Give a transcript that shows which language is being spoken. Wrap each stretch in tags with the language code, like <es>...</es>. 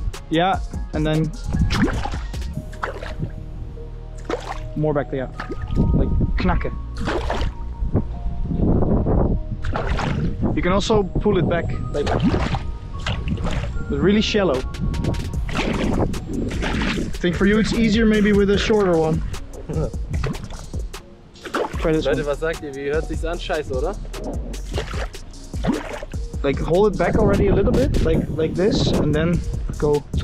<en>Ja, and then more back there. Like knacken. You can also pull it back later. But really shallow. I think for you it's easier maybe with a shorter one.</en> <de>Leute, was sagt ihr? Wie hört sich's an? Scheiße, oder?</de> <en>Like hold it back already a little bit, like this, and then go.</en>